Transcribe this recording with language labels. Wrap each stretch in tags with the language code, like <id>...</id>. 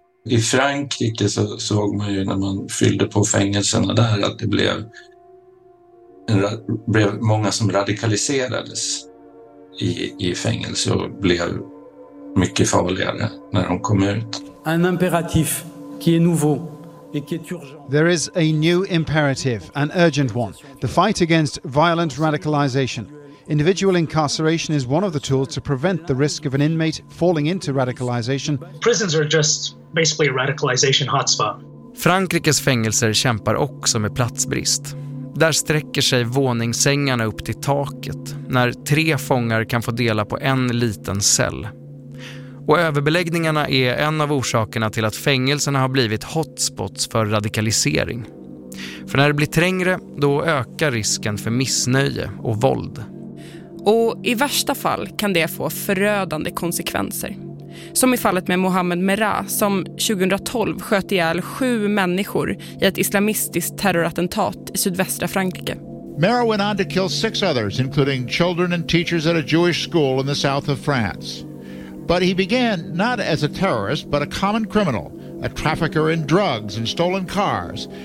<sv>I Frankrike så såg man ju när man fyllde på fängelserna där att det blev, blev många som radikaliserades i fängelse och blev mycket farligare när de kom ut.</sv> <fr>En imperativ qui est nouveau.</fr> <en>There is a new imperative, an urgent one. The fight against violent radicalization. Individual incarceration is one of the tools to prevent the risk of an inmate falling into radicalization. Prisons are just basically a radicalization hotspot.</en> <sv>Frankrikes fängelser kämpar också med platsbrist. Där sträcker sig våningssängarna upp till taket när tre fångar kan få dela på en liten cell. Och överbeläggningarna är en av orsakerna till att fängelserna har blivit hotspots för radikalisering. För när det blir trängre, då ökar risken för missnöje och våld. Och i värsta fall kan det få förödande konsekvenser. Som i fallet med Mohammed Merah som 2012 sköt ihjäl 7 människor i ett islamistiskt terrorattentat i sydvästra Frankrike.</sv> <en>Mara went on to kill six others, including children and teachers at a Jewish school in the south of France. But he began not as a terrorist, but a common criminal, a trafficker in drugs and stolen cars.</en>